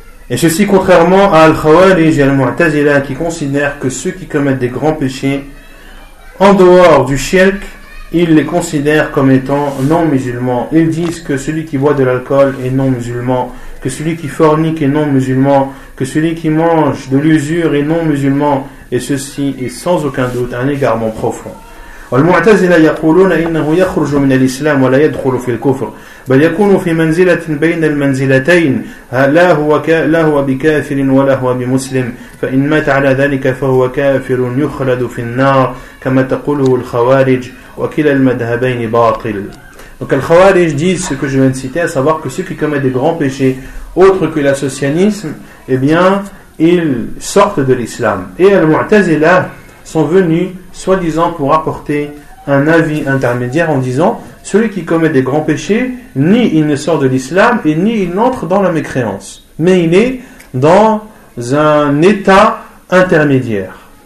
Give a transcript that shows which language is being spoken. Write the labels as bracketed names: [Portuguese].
[French] Et ceci contrairement à Al-Khawarij et Al-Mu'tazila qui considèrent que ceux qui commettent des grands péchés, en dehors du shirk, ils les considèrent comme étant non-musulmans. Ils disent que celui qui boit de l'alcool est non-musulman, que celui qui fornique est non-musulman, que celui qui mange de l'usure est non-musulman, et ceci est sans aucun doute un égarement profond. [Arabic] والمعتزله يقولون انه يخرج من الاسلام ولا يدخل في الكفر بل يكون في منزله بين المنزلتين لا هو بكافر ولا هو بمسلم فان مات على ذلك فهو كافر يخلد في النار كما تقوله الخوارج وكلا المذهبين باطل. [French] Donc les Khawarij disent ce que je viens de citer, à savoir que ceux qui commettent des grands péchés autres que l'associanisme, eh bien ils sortent de l'islam. Et al-Mu'tazila sont venus soi-disant pour apporter un avis intermédiaire en disant celui qui commet des grands péchés, ni il ne sort de l'islam et ni il n'entre dans la mécréance, mais il est dans un état intermédiaire.